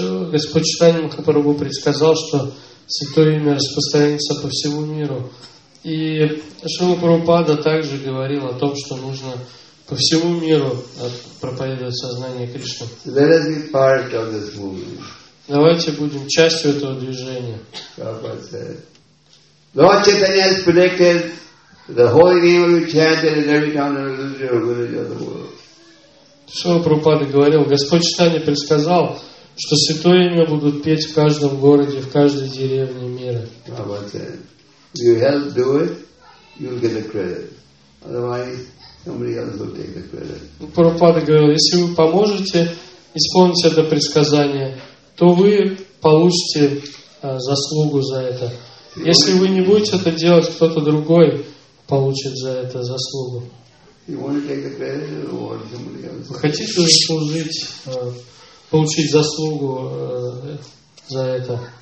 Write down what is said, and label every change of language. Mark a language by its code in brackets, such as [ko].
[ru] Господь Читания Махапрабху предсказал, что Святое Имя распространится по всему миру. И Шрила Прабхупада также говорил о том, что нужно по всему миру проповедовать сознание Кришны. [en] Let us be part of this movement. [ru] Давайте будем частью этого движения. [en] Prabhupada said, Lord Chaitanya has predicted The holy name will be chanted in every town and village or village of the world. [ru] Шрила Прабхупада говорил, Господь Читания предсказал, что святое имя будут петь в каждом городе, в каждой деревне мира. [en] You help do it, you'll get the credit. Otherwise, somebody else will take the credit. [ru] Прабхупада говорил, если вы поможете исполнить это предсказание, то вы получите заслугу за это. Если вы не будете это делать, кто-то другой получит за это заслугу. Вы хотите заслужить, получить заслугу за это?